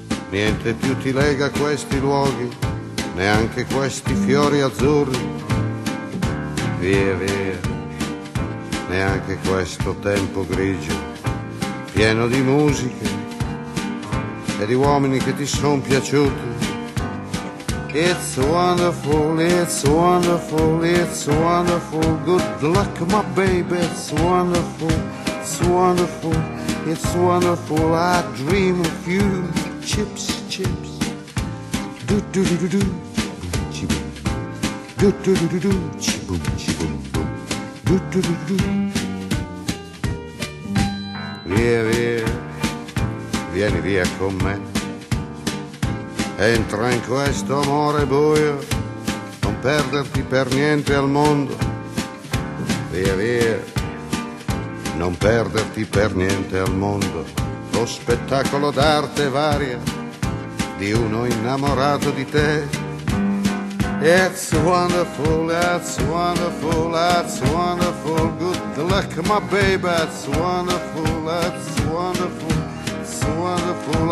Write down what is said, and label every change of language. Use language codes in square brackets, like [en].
[it] Niente più ti lega a questi luoghi, neanche questi fiori azzurri. Via, via, neanche questo tempo grigio, pieno di musiche e di uomini che ti sono piaciuti. [en] It's wonderful, it's wonderful, it's wonderful. Good luck, my baby, it's wonderful, it's wonderful, it's wonderful. I dream of you, chips, chips. Do-do-do-do-do, chibum. Do-do-do-do-do, chibum, chibum, boom. Do-do-do-do-do. [it] Via, via, vieni via con me. Entra in questo amore buio, non perderti per niente al mondo. Via, via, non perderti per niente al mondo. Lo spettacolo d'arte varia di uno innamorato di te. [en] It's wonderful, that's wonderful, that's wonderful. Good luck, my baby, that's wonderful, that's wonderful, it's wonderful.